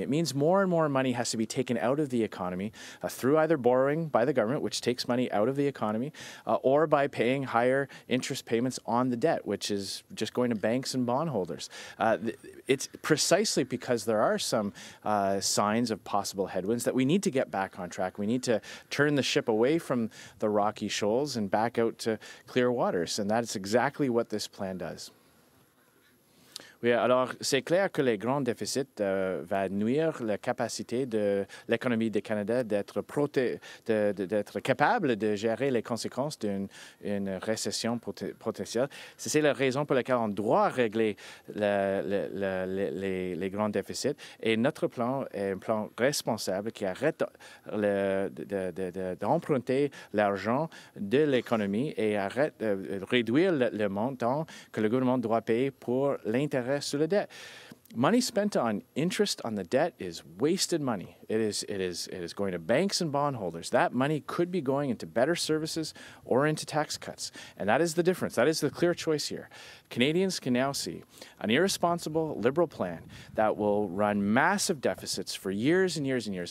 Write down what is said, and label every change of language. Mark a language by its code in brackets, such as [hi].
[en] It means more and more money has to be taken out of the economy through either borrowing by the government, which takes money out of the economy, or by paying higher interest payments on the debt, which is just going to banks and bondholders. It's precisely because there are some signs of possible headwinds that we need to get back on track. We need to turn the ship away from the rocky shoals and back out to clear waters, and that's exactly what this plan does. [fr] Oui, alors c'est clair que les grands déficits vont nuire la capacité de l'économie du Canada d'être d'être capable de gérer les conséquences d'une récession potentielle. C'est la raison pour laquelle on doit régler les grands déficits. Et notre plan est un plan responsable qui arrête d'emprunter l'argent de l'économie et arrête de réduire le montant que le gouvernement doit payer pour l'intérêt sur la dette. [en] Money spent on interest on the debt is wasted money. It is going to banks and bondholders. That money could be going into better services or into tax cuts. And that is the difference. That is the clear choice here. Canadians can now see an irresponsible Liberal plan that will run massive deficits for years and years and years.